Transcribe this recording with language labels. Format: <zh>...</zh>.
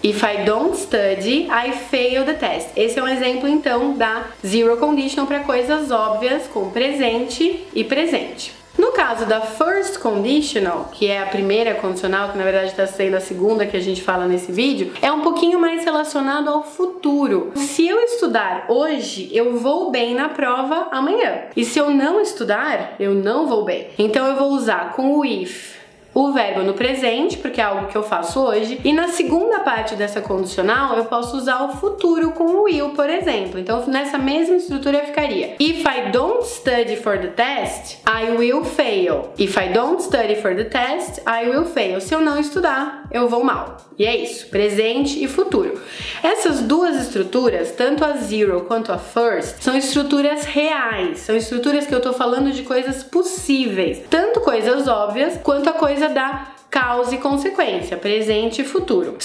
<en>If I don't study, I fail the test.</en> <pt>Esse é um exemplo, então, da zero conditional para coisas óbvias, com presente e presente. No caso da first conditional, que é a primeira condicional, que na verdade está sendo a segunda que a gente fala nesse vídeo, é um pouquinho mais relacionado ao futuro. Se eu estudar hoje, eu vou bem na prova amanhã. E se eu não estudar, eu não vou bem. Então eu vou usar com o if o verbo no presente, porque é algo que eu faço hoje. E na segunda parte dessa condicional, eu posso usar o futuro com o will, por exemplo. Então, nessa mesma estrutura ficaria:</pt> <en>if I don't study for the test, I will fail. If I don't study for the test, I will fail.</en> <pt>Se eu não estudar, eu vou mal. E é isso, presente e futuro. Essas duas estruturas, tanto a zero quanto a first, são estruturas reais. São estruturas que eu tô falando de coisas possíveis. Tanto coisas óbvias, quanto a coisa da causa e consequência, presente e futuro.</pt>